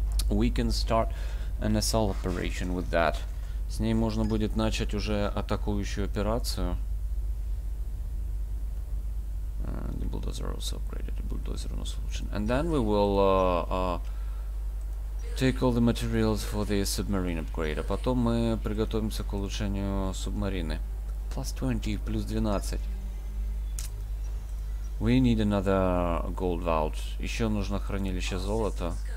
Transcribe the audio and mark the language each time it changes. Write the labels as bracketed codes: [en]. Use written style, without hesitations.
[en] We can start an assault operation with that. [ru] С ней можно будет начать уже атакующую операцию. [en] The bulldozer also upgraded. The bulldozer no solution. And then we will take all the materials for the submarine upgrade. [ru] А потом мы приготовимся к улучшению субмарины. [en] Plus 20, [ru] плюс 12. [en] We need another gold vault. [ru] Еще нужно хранилище золота.